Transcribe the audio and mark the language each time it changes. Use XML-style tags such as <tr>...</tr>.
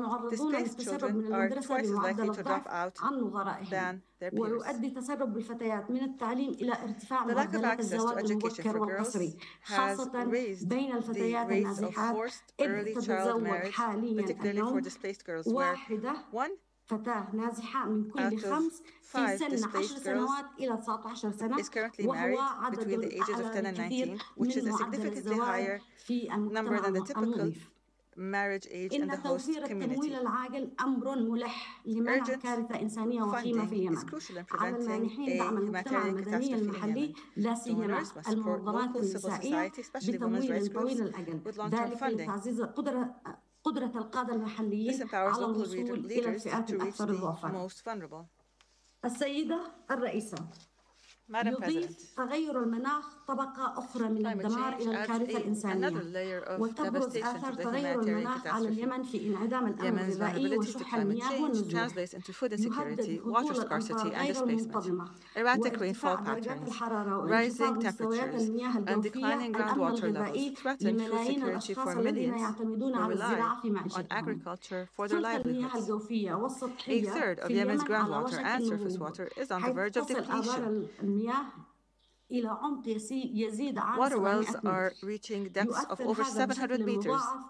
<en>Displaced children are twice as likely to drop out than their peers. The lack of access to education for girls has raised the rates of forced early child marriage, particularly for displaced girls, where one</en> <ar>فتاة نازحة من كل خمس في سن 10 سنوات إلى 19 سنة</ar> <en>is currently married between the ages of 10 and 19, which is a significantly higher number than the typical marriage age in the host community.</en> <ar>إن توفير التمويل العاجل أمر ملح لمنع كارثة إنسانية وخيمة في اليمن.</ar> <en>Urgent funding is crucial in preventing a humanitarian catastrophe in Yemen. Donors must support local civil society, especially women's rights groups, with long-term funding.</en> <ar>قدرة القادة المحليين على الوصول إلى الفئات الأكثر ضعفا. السيدة الرئيسة</ar> <en>Madam</en> <ar>يضيف تغير المناخ طبقة أخرى من الدمار إلى الكارثة الإنسانية وتبرز آثار تغير المناخ على اليمن في انعدام الأمن الغذائي وشح المياه والنزوح يهدد هطول الأمطار غير المنتظمة</ar> <en>erratic</en> <ar>وارتفاع</ar> <en>rainfall</en> <ar>درجات الحرارة</ar> <en>rising temperatures and declining groundwater levels threaten food security for millions who rely on agriculture for their livelihoods. A third of Yemen's groundwater and surface water is on the verge of depletion. Water wells are reaching depths of over 700 meters.</en>